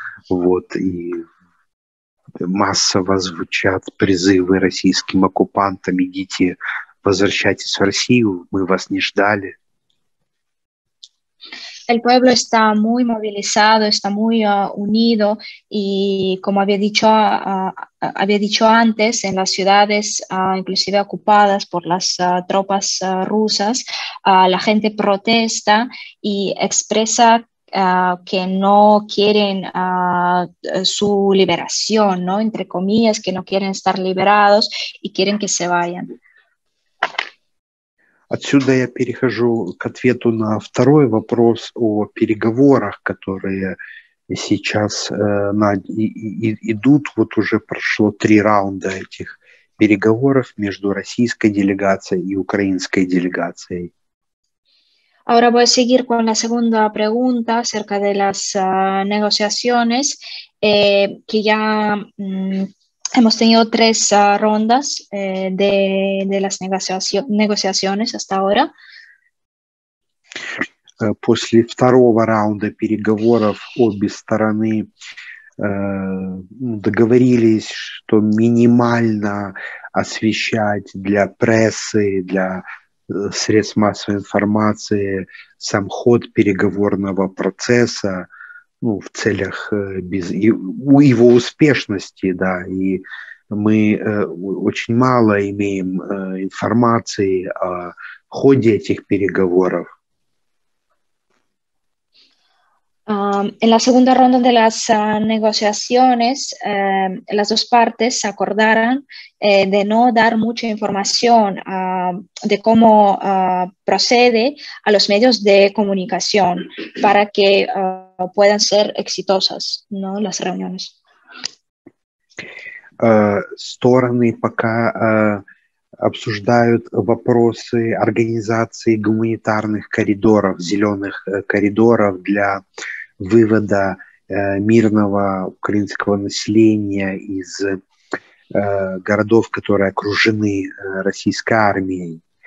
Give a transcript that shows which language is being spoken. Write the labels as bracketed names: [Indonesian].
[Russian] Вот, и массово звучат призывы российским оккупантам: идите, возвращайтесь в Россию, мы вас не ждали. [Spanish] El pueblo está muy movilizado, está muy unido y como había dicho antes, en las ciudades inclusive ocupadas por las tropas rusas, la gente protesta y expresa que no quieren su liberación, ¿no? Entre comillas, que no quieren estar liberados y quieren que se vayan. [Russian] Отсюда я перехожу к ответу на второй вопрос о переговорах, которые сейчас идут. Вот уже прошло 3 раунда этих переговоров между российской делегацией и украинской делегацией. [Spanish] Ahora voy a seguir con la segunda pregunta acerca de las negociaciones, que ya hemos tenido 3 rondas de las negociaciones hasta ahora. [Russian] После 2-го раунда переговоров обе стороны договорились, что минимально освещать для прессы, для средств массовой информации сам ход переговорного процесса, ну, в целях его успешности, да, и мы очень мало имеем информации о ходе этих переговоров. [Spanish] En la segunda ronda de las negociaciones, las dos partes acordaron de no dar mucha información de cómo procede a los medios de comunicación para que puedan ser exitosas, ¿no? Las reuniones. [Russian] Стороны пока обсуждают вопросы организации гуманитарных коридоров, зеленых коридоров для вывода мирного украинского населения из городов, которые окружены российской армией.